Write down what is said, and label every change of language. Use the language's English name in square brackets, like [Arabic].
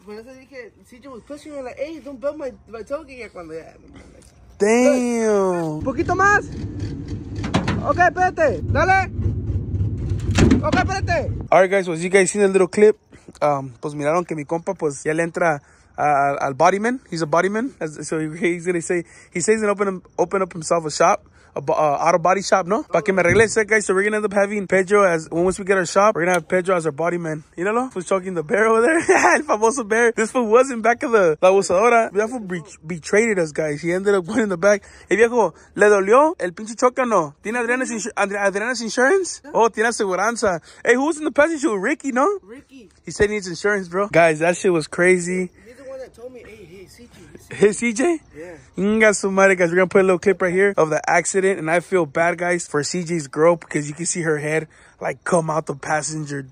[English] When I said, CJ was pushing me, like, hey, don't bend my tailgate. Damn. [Spanish] Un poquito más. Okay, espérate. Dale. Okay, espérate. [English] All right, guys, well, you guys seen the little clip? [Spanish] Pues miraron que mi compa, pues ya le entra. [English] Al bodyman, he's a bodyman, so he's gonna say, he says he's gonna open up himself a shop, a auto body shop, no? [Spanish] Pa' que me arregle ese, [English] guys, so we're gonna end up having Pedro as, once we get our shop, we're gonna have Pedro as our bodyman. You know, he's choking the bear over there, [Spanish] el famoso bear. [English] This fool was in back of the [Spanish] la bolsadora. [English] That fool betrayed us, guys. He ended up going in the back. [Spanish] El viejo, ¿le dolió el pinche choca, no? ¿Tiene Adriana's insurance? Oh, tiene aseguranza. [English] Hey, who was in the passenger with Ricky, no? Ricky. He said he needs insurance, bro. Guys, that shit was crazy. Hey, CJ. Hey, CJ? Yeah. [Spanish] Inga su madre, [English] guys. We're going to put a little clip right here of the accident. And I feel bad, guys, for CJ's girl because you can see her head, like, come out the passenger.